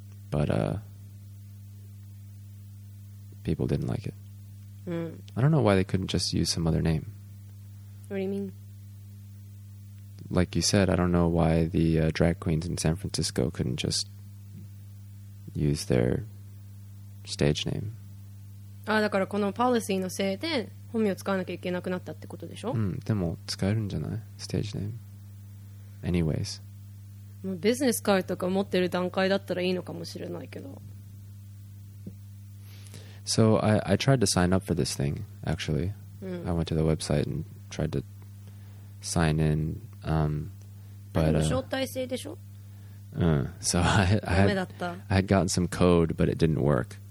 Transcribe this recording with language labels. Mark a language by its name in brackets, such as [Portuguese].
[English] But people didn't like it. Mm. I don't know why they couldn't just use some other name. What do you mean? Like you said, I don't know why the drag queens in San Francisco couldn't just use their stage name. [Japanese] Ah, だからこのパオリシーのせいで本名を使わなきゃいけなくなったってことでしょ？うん、でも使えるんじゃない？ステージネーム。Anyways。もうビジネスカードとか持ってる段階だったらいいのかもしれないけど。 [English] So I tried to sign up for this thing, actually.、 [Japanese] うん、 [English] I went to the website and tried to sign in. But [Japanese] 招待制でしょ？うん。 [English] So I had gotten some code, but it didn't work.